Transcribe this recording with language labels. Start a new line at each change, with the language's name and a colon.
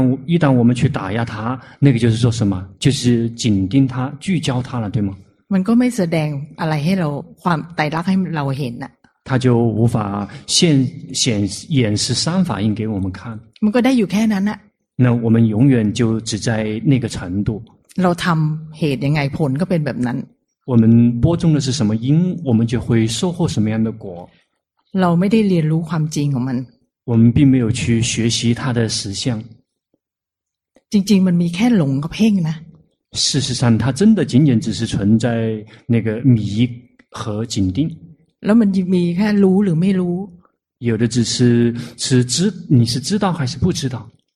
Chinese: 一旦我们去打压他那个就是做什么就是紧盯他聚焦他了对吗
Thai: มันก็ไม่แสดงอะไรให้เราความไตรลักษณ์ให้เราเห็นน่ะ
Chinese: 他就无法显演示三法印给我们看
Thai: มันก็ได้อยู่แค่นั้นน่ะ
Chinese: 那我们永远就只在那个程度
Thai: เราทำเหตุยังไงผลก็เป็นแบบนั้น
Chinese: 我们播种的是什么因我们就会收获什么样的果
Thai: เราไม่ได้เรียนรู้ความจริงของมัน
Chinese: 我们并没有去学习它的实相
Thai: จริงๆมันมีแค่หลงกับเพ่งนะ
Chinese: 事实上它真的仅仅只是存在那个迷和紧盯
Thai: แล้วมันมีแค่รู้หรือไม่รู้
Chinese: 有的只是你是知道还是不知道